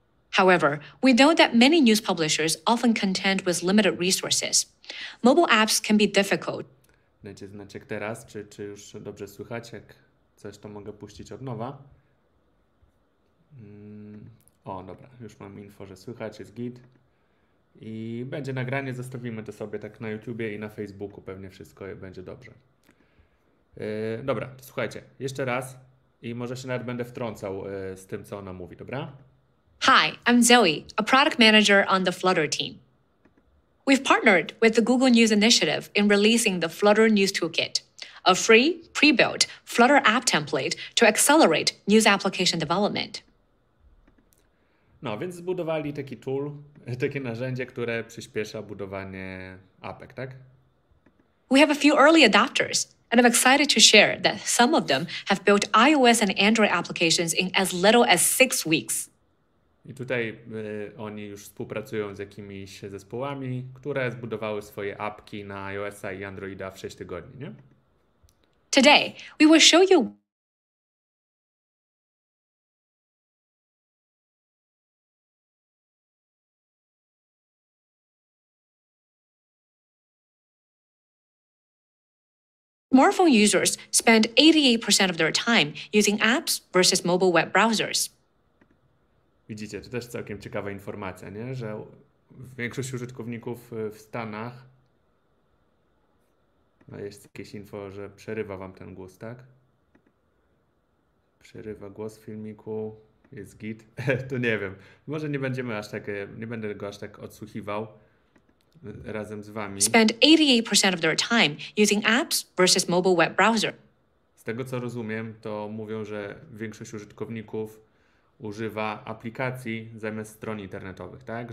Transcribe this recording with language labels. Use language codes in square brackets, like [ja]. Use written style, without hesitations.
[en] However, we know that many news publishers often contend with limited resources. Mobile apps can be difficult. [pl] Dajcie znać jak teraz, czy już dobrze słychać, jak coś to mogę puścić od nowa. O, dobra, już mam info, że słychać, jest git. I będzie nagranie, zostawimy to sobie tak na YouTubie i na Facebooku, pewnie wszystko będzie dobrze. Dobra, to słuchajcie, jeszcze raz i może się nawet będę wtrącał z tym, co ona mówi, dobra? [en] Hi, I'm Zoe, a product manager on the Flutter team. We've partnered with the Google News Initiative in releasing the Flutter News Toolkit, a free, pre-built Flutter app template to accelerate news application development. [pl] No, więc zbudowali taki tool, takie narzędzie, które przyspiesza budowanie apek, tak? [en] We have a few early adopters, and I'm excited to share that some of them have built iOS and Android applications in as little as 6 weeks. [pl] I tutaj oni już współpracują z jakimiś zespołami, które zbudowały swoje apki na iOS-a i Androida w 6 tygodni, nie? [en] Today, we will show you. Smartphone users spend 88% of their time using apps versus mobile web browsers. [pl] Widzicie, to też całkiem ciekawa informacja, nie? Że większość użytkowników w Stanach. No jest jakieś info, że przerywa wam ten głos, tak? Przerywa głos w filmiku, jest git. To nie wiem. Może nie będziemy aż tak, nie będę go aż tak odsłuchiwał razem z wami. [en] Spend 88% of their time using apps versus mobile web browser. [pl] Z tego co rozumiem, to mówią, że większość użytkowników używa aplikacji zamiast stron internetowych, tak?